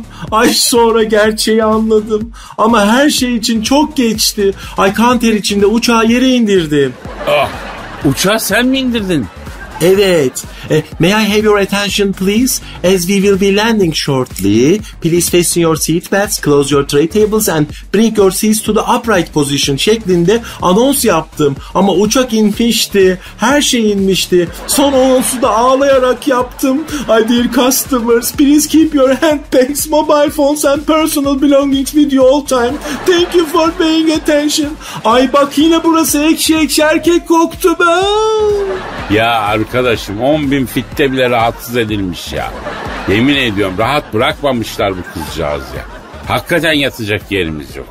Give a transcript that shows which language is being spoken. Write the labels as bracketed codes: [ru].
[tr] Ay sonra gerçeği anladım. Ama her şey için çok geçti. Ay kan ter içinde uçağı yere indirdim. Ah, uçağı sen mi indirdin? Evet. [en] May I have your attention please? As we will be landing shortly, please fasten your seat belts, close your tray tables and bring your seats to the upright position [tr] şeklinde anons yaptım. Ama uçak inmişti, her şey inmişti. Son anonsu da ağlayarak yaptım. [en] Ay dear customers, please keep your handbags, mobile phones and personal belongings with you all time. Thank you for paying attention. [tr] Ay bak yine burası ekşi ekşi erkek koktu be. Ya arkadaşım 10.000 fitte bile rahatsız edilmiş ya. Yemin ediyorum rahat bırakmamışlar bu kızcağız ya. Hakikaten yatacak yerimiz yok.